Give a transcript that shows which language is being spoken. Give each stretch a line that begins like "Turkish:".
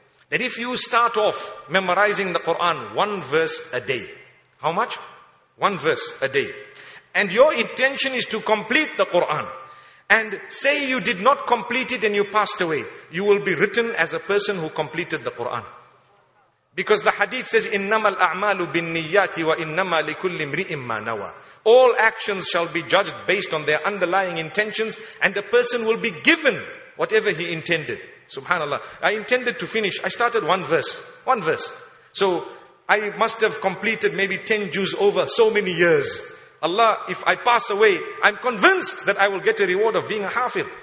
English: that if you start off memorizing the Quran one verse a day, how much? One verse a day. And your intention is to complete the Quran. And say you did not complete it and you passed away, you will be written as a person who completed the Quran. Because the hadith says,
Arabic: إِنَّمَا الْأَعْمَالُ بِالنِّيَّاتِ وَإِنَّمَا لِكُلِّ امْرِئٍ مَّا نَوَى.
English: All actions shall be judged based on their underlying intentions, and the person will be given whatever he intended. Subhanallah. I intended to finish. I started one verse. One verse. So I must have completed maybe 10 juz over so many years. Allah, if I pass away, I'm convinced that I will get a reward of being a hafiz.